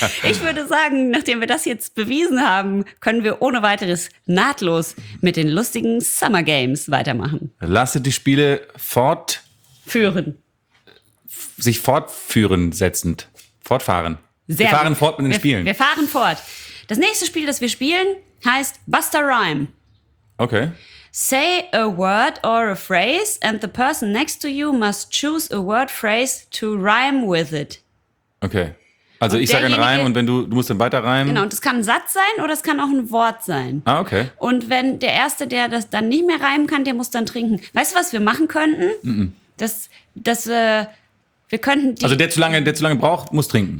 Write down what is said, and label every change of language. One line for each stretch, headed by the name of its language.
German: Ich würde sagen, nachdem wir das jetzt bewiesen haben, können wir ohne weiteres nahtlos mit den lustigen Summer Games weitermachen. Lasse die Spiele fortführen. Sich fortführen setzend. Fortfahren. Sehr wir fahren gut. Fort mit den wir, Spielen. Wir fahren fort. Das nächste Spiel, das wir spielen, heißt Buster Rhyme. Okay.
English: Say a word or a phrase and the person next to you must choose a word phrase to rhyme with it.
German: Okay. Also und ich sage einen Reim und wenn du musst dann weiter reimen. Genau, und das kann ein Satz sein oder es kann auch ein Wort sein. Ah, okay. Und wenn der Erste, der das dann nicht mehr reimen kann, der muss dann trinken. Weißt du, was wir machen könnten? Mm-mm. Wir könnten die... Also der zu lange braucht, muss trinken.